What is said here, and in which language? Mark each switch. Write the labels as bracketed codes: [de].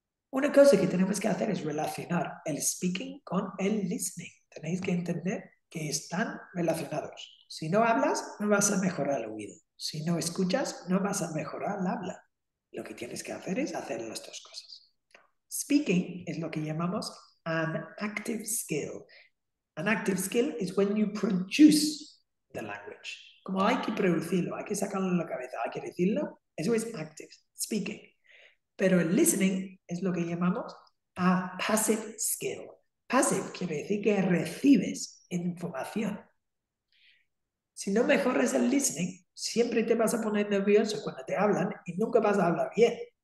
[es] Una cosa que tenemos que hacer es relacionar el speaking con el listening. Tenéis que entender que están relacionados. Si no hablas, no vas a mejorar el oído. Si no escuchas, no vas a mejorar el habla. Lo que tienes que hacer es hacer las dos cosas. Speaking es lo que llamamos [en] an active skill. An active skill is when you produce the language. [es] Como hay que producirlo, hay que sacarlo de la cabeza, hay que decirlo, eso es active speaking. Pero el listening es lo que llamamos [en] a passive skill. [es] Passive quiere decir que recibes información. Si no mejoras el listening, siempre te vas a poner nervioso cuando te hablan y nunca vas a hablar bien.